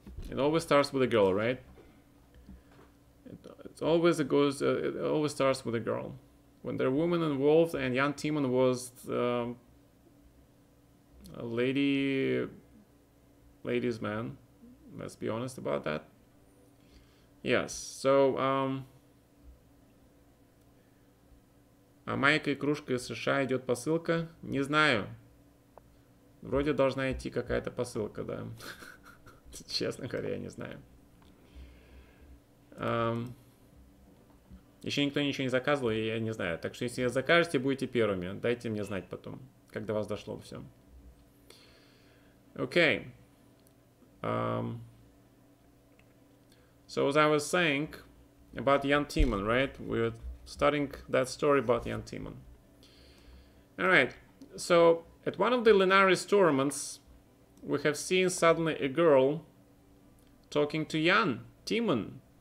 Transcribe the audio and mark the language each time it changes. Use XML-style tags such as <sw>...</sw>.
<en>It always starts with a girl, right? It always starts with a girl. When there are women involved, and Jan Timman was a ladies' man. Let's be honest about that. Yes.</en> <ru>So, Майка и кружка из США идет посылка. Не знаю. Вроде должна идти какая-то посылка, да. Честно говоря, я не знаю. Еще никто ничего не заказывал, и я не знаю. Так что если закажете, будете первыми. Дайте мне знать потом, как до вас дошло все.</ru> <en>Okay. So as I was saying about Jan Timman, right? We were starting that story about Jan Timman. Alright. So at one of the Linares tournaments, we have seen suddenly a girl talking to Jan Timman.</en>